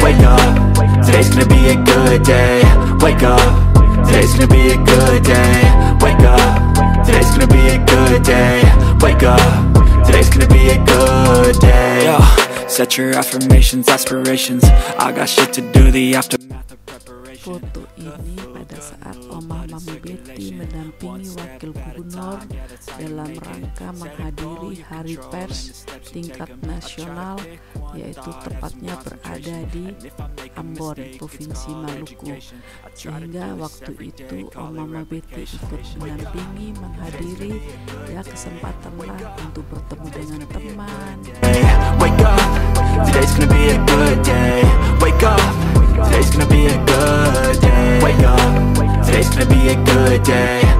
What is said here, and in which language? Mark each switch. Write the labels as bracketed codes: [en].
[en] Wake up, today's gonna be a good day. Wake up, today's gonna be a good day. Wake up, today's gonna be a good day. Wake up. Today's gonna be a good day. Yo, set your affirmations, aspirations. I got shit to do, the aftermath of preparation. [id] Foto ini pada saat Oma Mami Betty mendampingi Wakil Gubernur dalam rangka menghadiri Hari Pers Tingkat Nasional, yaitu tepatnya berada di Ambon, Provinsi Maluku. Sehingga waktu itu Omama Betty ikut menampingi, menghadiri, ya kesempatanlah untuk bertemu dengan teman. [en] Today's gonna be a good day. Wake up. Today's gonna be a good day. Wake up. Today's gonna be a good day.